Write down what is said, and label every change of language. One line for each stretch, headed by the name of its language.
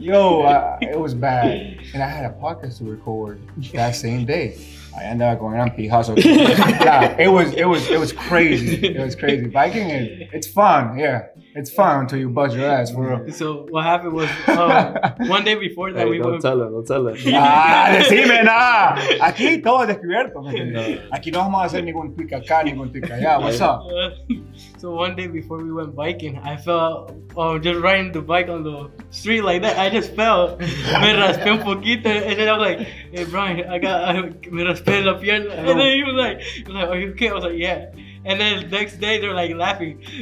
English: Yo, it was bad. And I had a podcast to record that same day. I ended up going on P Hustle. Yeah, it was crazy. It was crazy. Biking is, it's fun, yeah. It's fun until you bust your ass, bro. So what happened was, one day before that, hey, we don't went. Don't tell him, don't tell
Spanish: him. Ah, decime, nah. Aquí todo es descubierto. Aquí no vamos a hacer ningún pica acá, ningún pica allá.
English: What's up? So one day before we went biking, I fell, just riding the bike on the street like that. I just fell.
Spanish: Me raspé un poquito.
English: And then I was like, hey, Brian,
Spanish: me raspé la pierna.
English: And then he was like, are you okay? I was like, yeah. And then the next day they're like laughing.